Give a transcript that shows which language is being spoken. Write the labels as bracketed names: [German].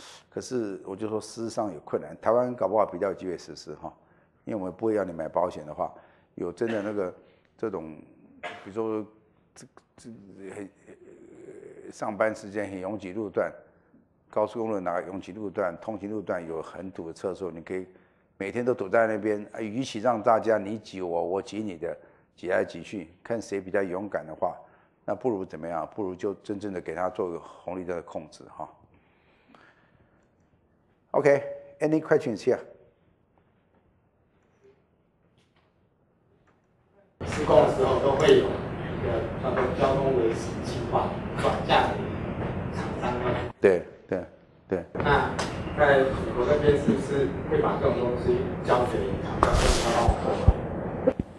[Chinese] 可是我就说实施上有困难，台湾搞不好比较有机会实施哈，因为我们不会要你买保险的话，有真的那个这种，比如说上班时间很拥挤路段，高速公路哪拥挤路段，通勤路段有很堵的车的时候，你可以每天都堵在那边，与其让大家你挤我，我挤你的，挤来挤去，看谁比较勇敢的话，那不如怎么样？不如就真正的给他做个红绿灯的控制哈。 [English] Okay, any questions here? [Chinese] 施工的时候都会有一个叫做交通危险情况转嫁厂商吗？对。那在美国那边是不是会把这种东西交给厂商帮忙做？